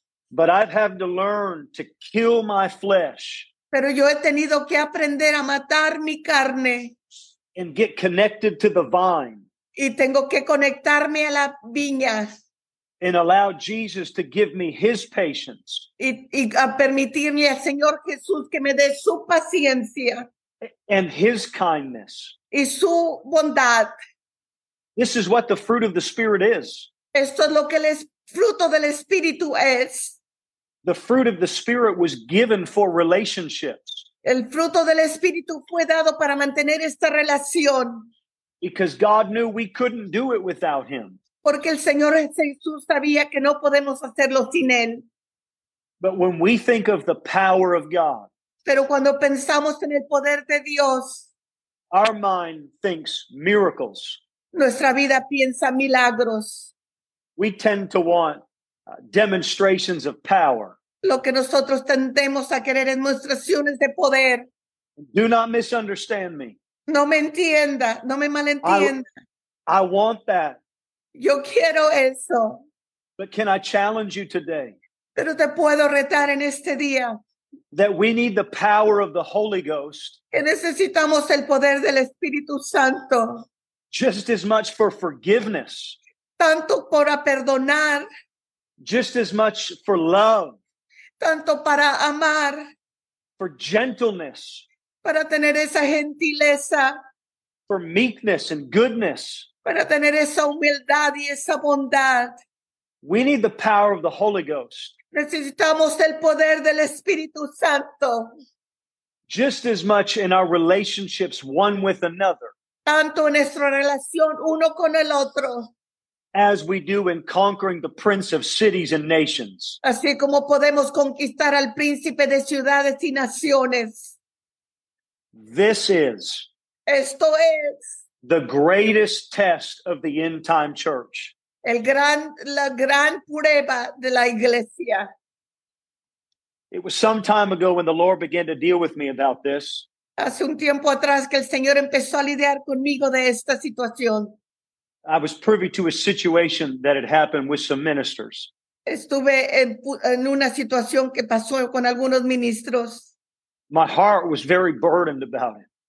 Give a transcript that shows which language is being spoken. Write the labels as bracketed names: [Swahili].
[English] But I've had to learn to kill my flesh. [Spanish] Pero yo he tenido que aprender a matar mi carne. [English] And get connected to the vine. [Spanish] Y tengo que conectarme a la viña. [English] And allow Jesus to give me his patience. [Spanish] Y a permitirme al Señor Jesús que me dé su paciencia. [English] And his kindness. [Spanish] Y su bondad. [English] This is what the fruit of the Spirit is. [Spanish] Esto es lo que el fruto del Espíritu es. [English] The fruit of the Spirit was given for relationships. [Spanish] El fruto del Espíritu fue dado para mantener esta relación. [English] Because God knew we couldn't do it without him. [Spanish] Porque el Señor Jesús sabía que no podemos hacerlo sin él. [English] But when we think of the power of God, [Spanish] pero cuando pensamos en el poder de Dios, [English] our mind thinks miracles. [Spanish] Nuestra vida piensa milagros. [English] We tend to want demonstrations of power. [Spanish] Lo que nosotros tendemos a querer es demostraciones de poder. [English] Do not misunderstand me. [Spanish] No me entienda, no me malentienda. [English] I want that. [Spanish] Yo quiero eso. [English] But can I challenge you today? [Spanish] Pero te puedo retar en este día. [English] That we need the power of the Holy Ghost. [Spanish] Que necesitamos el poder del Espíritu Santo. [English] Just as much for forgiveness. [Spanish] Tanto para perdonar. [English] Just as much for love. [Spanish] Tanto para amar. [English] For gentleness. [Spanish] Para tener esa gentileza. [English] For meekness and goodness. [Spanish] Para tener esa humildad y esa bondad. [English] We need the power of the Holy Ghost. [Spanish] Necesitamos el poder del Espíritu Santo. [English] Just as much in our relationships one with another. [Spanish] Tanto en nuestra relación uno con el otro. [English] As we do in conquering the prince of cities and nations. [Spanish] Así como podemos conquistar al príncipe de ciudades y naciones. [English] This is. [Spanish] Esto es. [English] The greatest test of the end time church. [Spanish] La gran prueba de la iglesia. [English] It was some time ago when the Lord began to deal with me about this. [Spanish] Hace un tiempo atrás que el Señor empezó a lidiar conmigo de esta situación. [English] I was privy to a situation that had happened with some ministers. [Spanish] Estuve en una situación que pasó con algunos ministros. [English] My heart was very burdened about it.